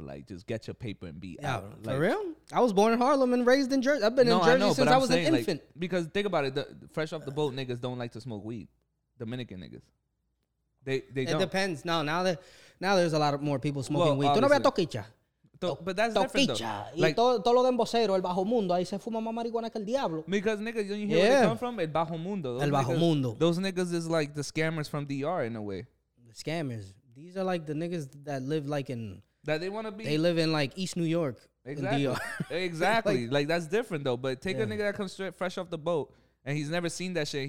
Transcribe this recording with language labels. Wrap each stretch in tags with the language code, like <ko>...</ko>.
<en>Like, just get your paper and be out. Like, for real? I was born in Harlem and raised in Jersey. I've been in Jersey since I was an infant. Like, because think about it. The fresh off the boat niggas don't like to smoke weed. Dominican niggas. They don't. It depends. No, now there's a lot of more people smoking weed.</en> <es>Tú no ves toquicha.</es> <en>But that's different, though.</en> <es>Like, y todo lo de embocero, el bajo mundo. Ahí se fuma más marihuana que el diablo.</es> <en>Because, nigga, you hear where they come from?</en> <es>El bajo mundo. El bajo mundo.</es> <en>Those niggas is like the scammers from DR in a way. The scammers. These are like the niggas that live like in that they want to be. They live in like East New York. Exactly. Exactly. Like, that's different though. But take a nigga that comes straight fresh off the boat and he's never seen that shit.</en>